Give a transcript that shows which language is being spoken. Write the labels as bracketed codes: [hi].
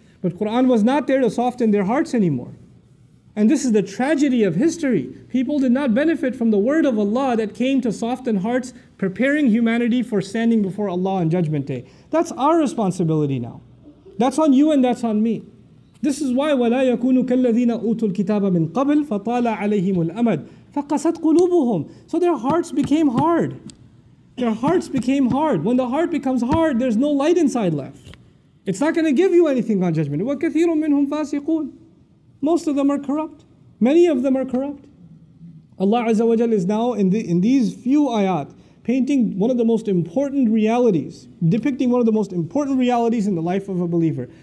[en] But Qur'an was not there to soften their hearts anymore. And this is the tragedy of history. People did not benefit from the word of Allah that came to soften hearts, preparing humanity for standing before Allah on Judgment Day. That's our responsibility now. That's on you and that's on me. This is why [ar] ولا يكون كالذين أوتوا الكتاب من قبل فطال عليهم الأمد فقست قلوبهم. [en] So their hearts became hard. Their hearts became hard. When the heart becomes hard, there's no light inside left. It's not going to give you anything on judgment. [ar] وكثير منهم فاسقون. [en] Most of them are corrupt. Many of them are corrupt. Allah Azza wa Jal is now in these few ayat painting one of the most important realities, depicting one of the most important realities in the life of a believer.